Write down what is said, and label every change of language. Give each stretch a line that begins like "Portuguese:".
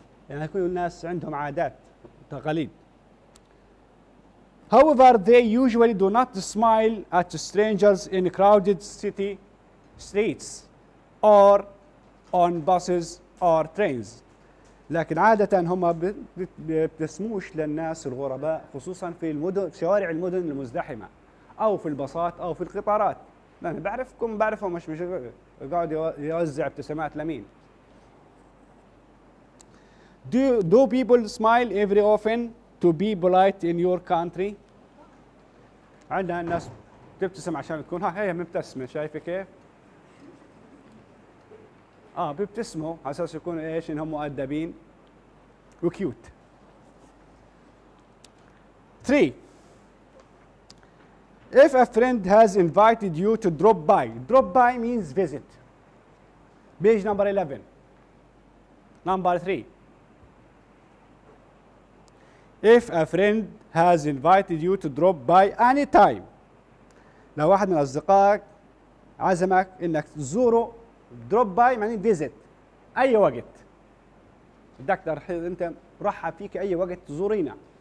Arabic: يعني كل الناس عندهم عادات وتقاليد.
English: However, they usually do not smile at strangers in crowded city streets or on buses or trains.
Arabic: لكن عادة هم بيبتسموش للناس الغرباء، خصوصا في المدن، في شوارع المدن المزدحمة أو في الباصات أو في القطارات. أنا بعرفكم، بعرفهم، مش قاعد يوزع ابتسامات لمين.
English: Do people smile every often to be polite in your country?
Arabic: عندنا الناس تبتسم عشان تكون هي مبتسمة، شايفة كيف؟ بيبتسموا على اساس يكونوا ايش؟ انهم مؤدبين وكيوت.
English: 3. If a friend has invited you to drop by. Drop by means visit. Page number 11. Number 3. If a friend has invited you to drop by anytime.
Arabic: لو واحد من اصدقائك عزمك انك تزوره، drop by يعني visit، اي وقت بدك انت رحب فيك اي وقت تزورينا.